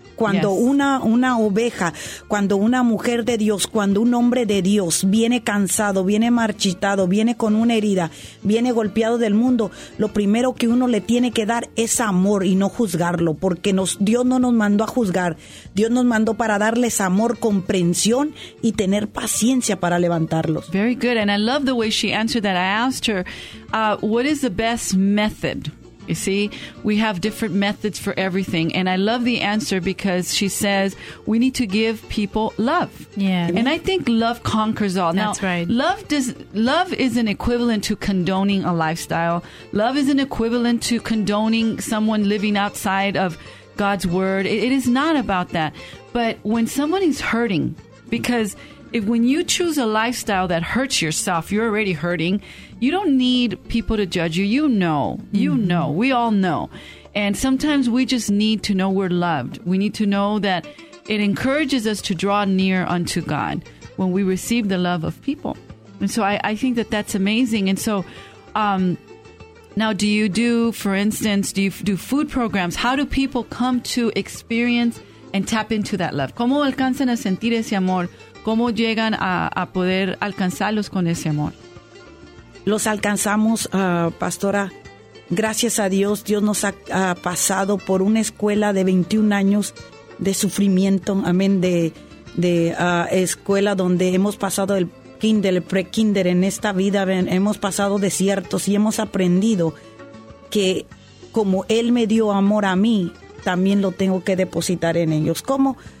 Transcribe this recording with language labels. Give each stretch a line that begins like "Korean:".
Spanish: Cuando una oveja, cuando una mujer de Dios, cuando un hombre de Dios viene cansado, viene marchitado, viene con una herida, viene golpeado del mundo, lo primero que uno le tiene que dar es amor y no juzgarlo, porque Dios no nos mandó a juzgar. Dios nos mandó para darles amor, comprensión y tener paciencia para levantarlos.
English: Very good. And I love the way she answered that. I asked her, what is the best method? You see, we have different methods for everything. And I love the answer because she says we need to give people love. Yeah. And I think love conquers all. That's right. Love is an equivalent to condoning a lifestyle. Love is an equivalent to condoning someone living outside of God's word. It is not about that. But when someone is hurting, because when you choose a lifestyle that hurts yourself, you're already hurting. You don't need people to judge you. You know. You know. We all know. And sometimes we just need to know we're loved. We need to know that it encourages us to draw near unto God when we receive the love of people. And so I think that that's amazing. And so now do you do, for instance, do you do food programs? How do people come to experience and tap into that love?
Spanish: ¿Cómo alcanzan a sentir ese amor? ¿Cómo llegan a poder alcanzarlos con ese amor? Los alcanzamos, pastora. Gracias a Dios, Dios nos ha pasado por una escuela de 21 años de sufrimiento, amén, de escuela donde hemos pasado el kinder, el pre-kinder en esta vida, hemos pasado desiertos y hemos aprendido que como Él me dio amor a mí, también lo tengo que depositar en ellos. ¿Cómo?